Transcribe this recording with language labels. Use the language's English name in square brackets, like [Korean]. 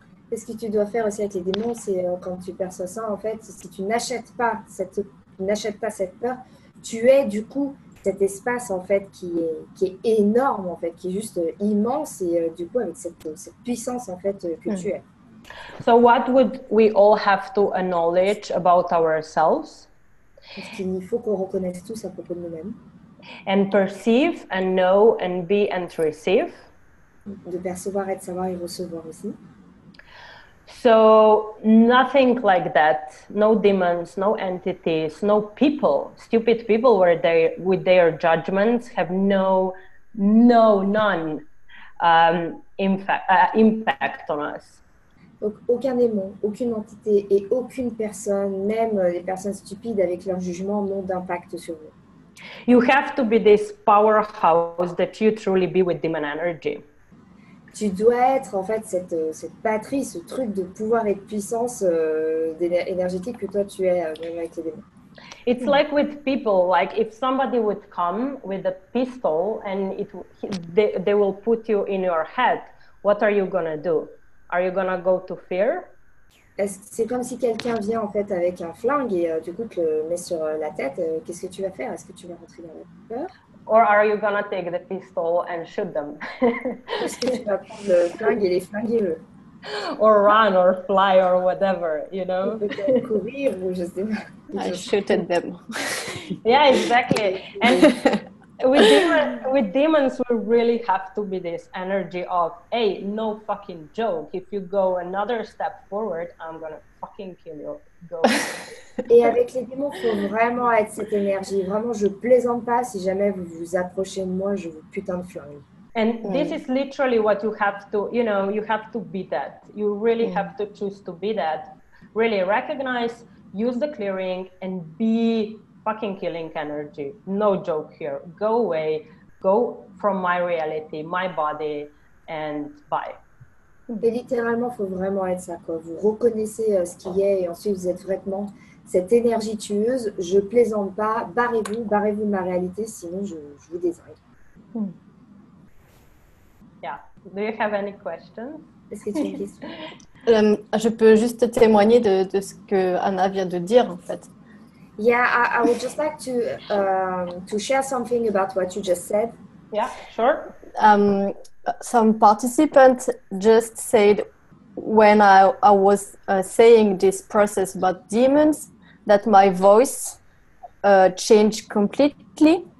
[French] Et ce que tu dois faire aussi avec les démons, c'est quand tu perçois ça, en fait, si tu n'achètes pas cette peur, tu es du coup cet espace en fait qui est énorme en fait, qui est juste immense et du coup avec cette puissance en fait que tu es. [English] So what would we all have to acknowledge about ourselves? [French] Parce qu'il faut qu'on reconnaisse tous à propos de nous-mêmes. [English] And perceive and know and be and receive. [French] De percevoir, être savoir et recevoir aussi. [English] So nothing like that, no demons, no entities, no people, stupid people where they with their judgments have impact on us. [French] Donc, aucun démon, aucune entité et aucune personne, même les personnes stupides avec leurs jugements n'ont d'impact sur vous. [English] You have to be this powerhouse that you truly be with demon energy. [French] Tu dois être en fait cette batterie, ce truc de pouvoir et de puissance énergétique que toi tu es même avec les démons. [English] It's like with people, like if somebody would come with a pistol and they will put you in your head, what are you gonna do? Are you gonna go to fear? [French] C'est comme si quelqu'un vient en fait avec un flingue et du coup te le met sur la tête. Qu'est-ce que tu vas faire? Est-ce que tu vas rentrer dans la peur? [English] Or are you gonna take the pistol and shoot them? [French] Est-ce que tu vas prendre le flingue et les flinguer eux? [English] Or run or fly or whatever, you know? [French] Courir ou je sais pas. [English] I shoot at them. Yeah, exactly. And with demons, we really have to be this energy of, hey, no fucking joke. If you go another step forward, I'm gonna fucking kill you. Go. [French] Et avec les démons, faut vraiment être cette énergie. Vraiment, je plaisante pas. Si jamais vous vous approchez de moi, je vous putain de furie. [English] And this is literally what you have to, you know, you have to be that. You really have to choose to be that. Really recognize, use the clearing, and be fucking killing energy. No joke here. Go away. Go from my reality, my body, and bye. [French] Mais littéralement, faut vraiment être ça, quoi. Vous reconnaissez ce qui est, et ensuite vous êtes vraiment cette énergie tueuse. Je plaisante pas. Barrez-vous de ma réalité, sinon je vous désingue. [English] Do you have any questions? [French] Je peux juste témoigner de ce que Anna vient de dire, en fait. [English] Yeah, I would just like to share something about what you just said. Yeah, sure. Some participants just said when I was saying this process about demons that my voice changed completely.